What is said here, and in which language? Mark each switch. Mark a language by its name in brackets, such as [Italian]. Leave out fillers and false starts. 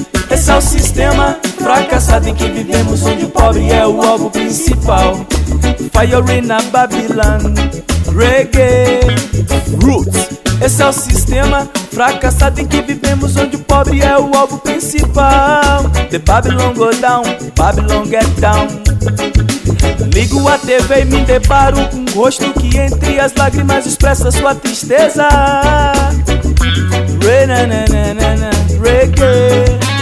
[Portuguese] Esse é o sistema fracassado em que vivemos, onde o pobre é o alvo principal. [English] Fire in a Babylon, reggae, roots. [Portuguese] Esse é o sistema fracassado em que vivemos, onde o pobre é o alvo principal. [English] The Babylon go down, Babylon get down. [Portuguese] Ligo a TV e me deparo com um rosto que entre as lágrimas expressa sua tristeza. Re-na-na-na-na-na, reggae.